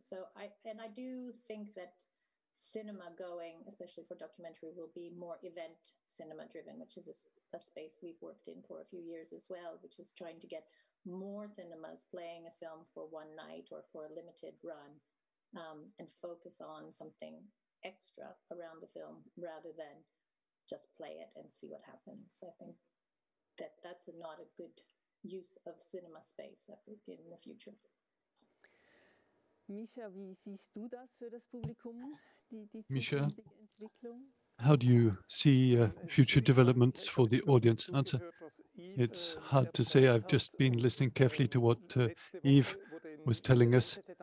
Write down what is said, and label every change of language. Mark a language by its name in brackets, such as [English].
[English] So I do think that cinema going, especially for documentary, will be more event cinema driven, which is a space we've worked in for a few years as well, which is trying to get more cinemas playing a film for one night or for a limited run, and focus on something extra around the film rather than just play it and see what happens. So I think that's not a good use of cinema space, I think, in the future. [German] Misha, wie siehst du das für das Publikum, die Entwicklung? [English] How do you see future developments for the audience? Answer. It's hard to say. I've just been listening carefully to what Yves was telling us.